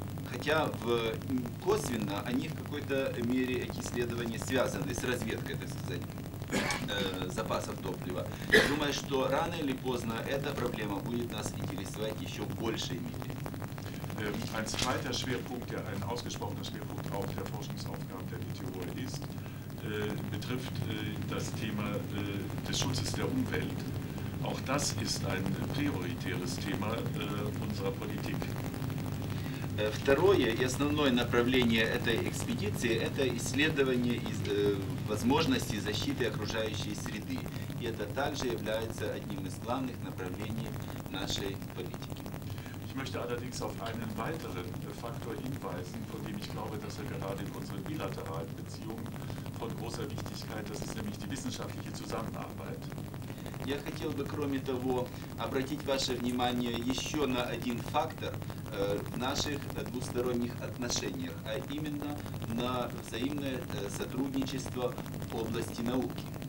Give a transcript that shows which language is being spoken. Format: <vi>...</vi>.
<ru>Хотя косвенно они в какой-то мере, эти исследования, связаны с разведкой, так сказать, запасов топлива. Я думаю, что рано или поздно эта проблема будет нас интересовать еще в большей мере.</ru> <de>Ein zweiter Schwerpunkt, der ein ausgesprochener Schwerpunkt auch der Forschungsaufgabe der Meteor ist, betrifft das Thema des Schutzes der Umwelt. Auch das ist ein prioritäres Thema unserer Politik.</de> <ru>Второе и основное направление этой экспедиции – это исследование возможностей защиты окружающей среды. И это также является одним из главных направлений нашей политики.</ru> <de>Ich möchte allerdings auf einen weiteren Faktor hinweisen, von dem ich glaube, dass er gerade in unseren bilateralen Beziehungen von großer Wichtigkeit ist, das ist nämlich die wissenschaftliche Zusammenarbeit.</de> <ru>Я хотел бы, кроме того, обратить ваше внимание еще на один фактор в наших двусторонних отношениях, а именно на взаимное сотрудничество в области науки.</ru>